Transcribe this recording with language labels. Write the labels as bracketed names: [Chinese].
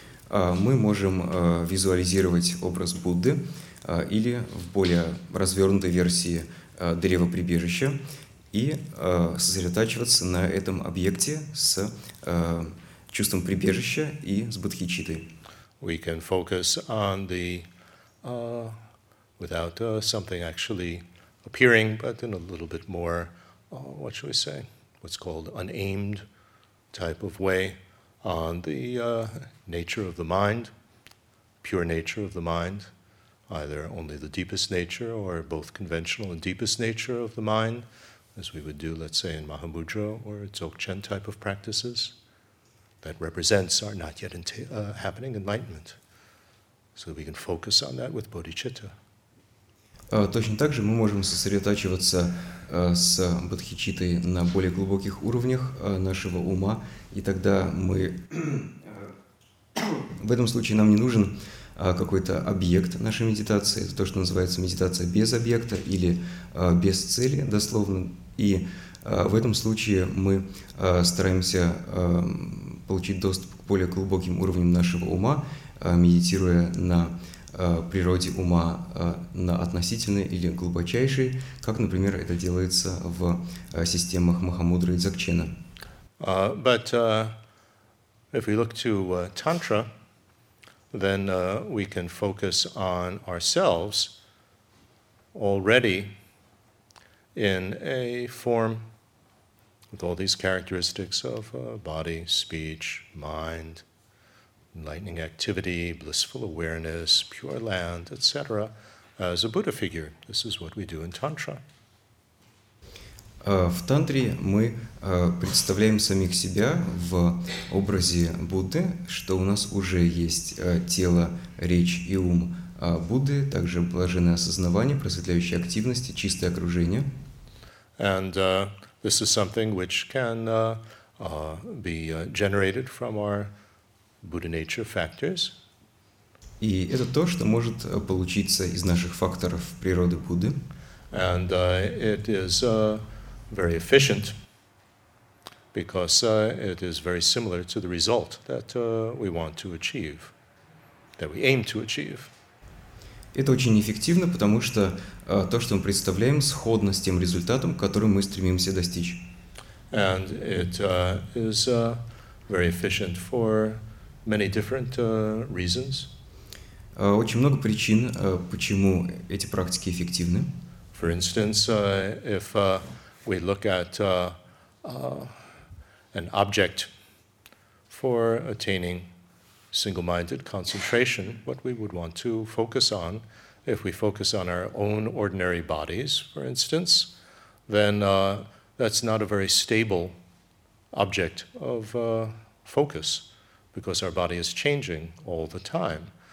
[Russian] Мы можем визуализировать образ Будды или в более развернутой версии древо-прибежища и сосредотачиваться на этом объекте с чувством прибежища и с бодхичиттой. [English] We can focus on the without something actually appearing, but in a little bit more what shall we say? What's called an aimed type of way on the nature of the mind, pure nature of the mind, either only the deepest nature or both conventional and deepest nature of the mind, as we would do, let's say, in Mahamudra or Dzogchen type of practices, that represents our not yet happening enlightenment. So we can focus on that with bodhicitta. [Russian] Точно так же мы можем сосредотачиваться с бодхичиттой на более глубоких уровнях нашего ума, и тогда мы в этом случае нам не нужен какой-то объект нашей медитации, это то, что называется медитация без объекта или без цели, дословно, и в этом случае мы стараемся получить доступ к более глубоким уровням нашего ума, медитируя на природе ума на относительной или глубочайшей, как, например, это делается в системах Махамудры и Дзогчена. [English] But if we look to Тантра, then we can focus on ourselves already in a form with all these characteristics of body, speech, mind, enlightening activity, blissful awareness, pure land, etc., as a Buddha figure. This is what we do in Tantra. [Russian] В Тантре мы представляем самих себя в образе Будды, что у нас уже есть тело, речь и ум Будды, также блаженное осознавание, просветляющая активность, чистое окружение. [English] And this is something which can be generated from our Buddha nature factors. [Russian] И это то, что может получиться из наших факторов природы Будды. [English] And it is very efficient because it is very similar to the result that we want to achieve, that we aim to achieve. [Russian] Это очень эффективно, потому что то, что мы представляем, сходно с тем результатом, который мы стремимся достичь. [English] And it is very efficient for many different reasons. [Russian] Очень много причин, почему эти практики эффективны. [English] For instance, if we look at an object for attaining single-minded concentration, what we would want to focus on, if we focus on our own ordinary bodies, for instance, then that's not a very stable object of focus, because our body is changing all the time.